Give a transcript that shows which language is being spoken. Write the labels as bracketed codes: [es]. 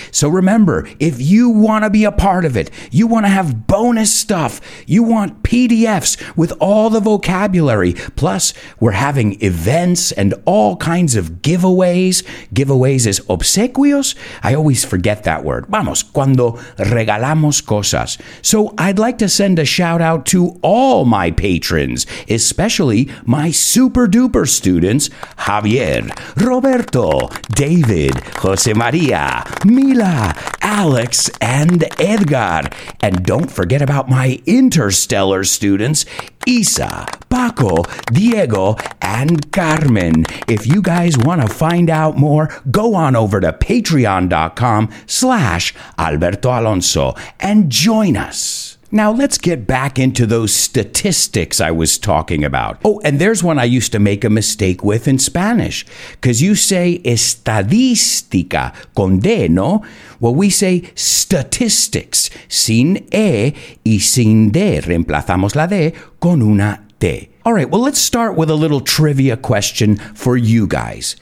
[en] So remember, if you want to be a part of it, you want to have bonus stuff, you want PDFs with all the vocabulary, plus we're having events and all kinds of giveaways. Giveaways is obsequios. I always forget that word. [es] Vamos, cuando regalamos cosas. [en] So I'd like to send a shout out to all my patrons, especially my super duper students, Javier, Roberto, David, Jose Maria, Mila, Alex, and Edgar. And don't forget about my interstellar students, Isa, Paco, Diego, and Carmen. If you guys want to find out more, go on over to patreon.com/Alberto Alonso and join us. Now let's get back into those statistics I was talking about. Oh, and there's one I used to make a mistake with in Spanish. [es] Because you say estadística con D, ¿no? [en] Well, we say statistics [es] sin E y sin D. Reemplazamos la D con una T. [en] All right, well, let's start with a little trivia question for you guys.